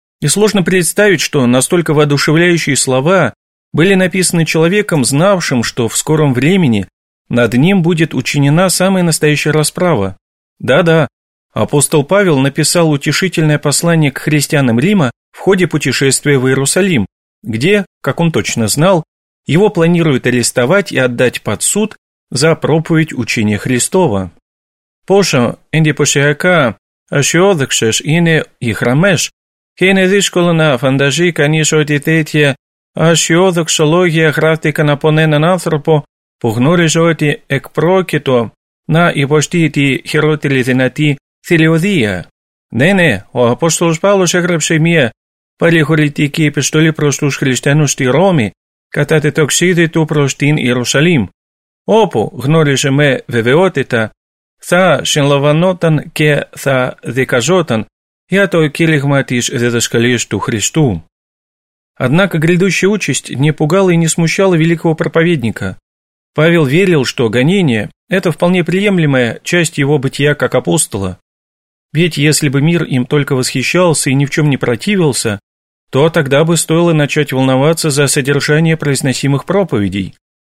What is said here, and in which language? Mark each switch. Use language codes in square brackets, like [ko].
[ru] И сложно представить, что настолько воодушевляющие слова были написаны человеком, знавшим, что в скором времени над ним будет учинена самая настоящая расправа. Да-да, апостол Павел написал утешительное послание к христианам Рима в ходе путешествия в Иерусалим, где, как он точно знал, его планируют арестовать и отдать под суд за проповедь учения Христова. [el] Πόσο εντυπωσιακά αισιόδοξες είναι οι γραμμές και είναι δύσκολο να φανταζεί κανείς ότι τέτοια αισιόδοξα λόγια γράφτηκαν από έναν άνθρωπο που γνώριζε ότι εκπρόκειτο να υποστεί τη χειρότερη δυνατή θηλιωδία. Ναι, ναι, ο Απόστολος Παύλος έγραψε μια παρηγορητική επιστολή προς τους χριστιανούς στη Ρώμη κατά το ταξίδι του προς την Ιερουσαλήμ, όπου γνώριζε με βεβαιότητα θα συλλαμβανόταν και θα δικαζόταν για το κήρυγμα της διδασκαλίας του Χριστού. [ru] Однако грядущая участь не пугала и не смущала великого проповедника. Павел верил, что гонение – это вполне приемлемая часть его бытия как апостола. Ведь если бы мир им только восхищался и ни в чем не противился, то тогда бы стоило начать волноваться за содержание произносимых проповедей.